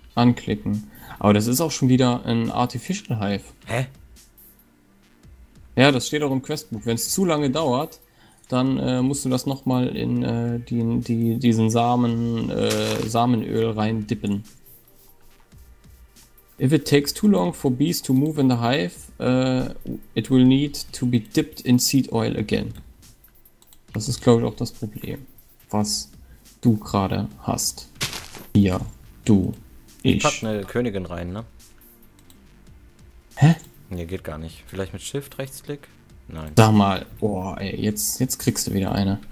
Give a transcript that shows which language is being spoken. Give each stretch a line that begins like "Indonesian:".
German: Anklicken. Aber das ist auch schon wieder ein Artificial Hive. Hä? Ja, das steht auch im Questbook. Wenn es zu lange dauert, dann musst du das nochmal in diesen Samenöl rein dippen.
English: If it takes too long for bees to move in the hive, it will need to be dipped in seed oil again.
German: Das ist, glaube ich, auch das Problem, was du gerade hast. Ja, du, ich. Ich pack eine Königin rein, ne? Hä? Nee, geht gar nicht. Vielleicht mit Shift-Rechtsklick? Nein. Sag mal, boah, ey, jetzt kriegst du wieder eine.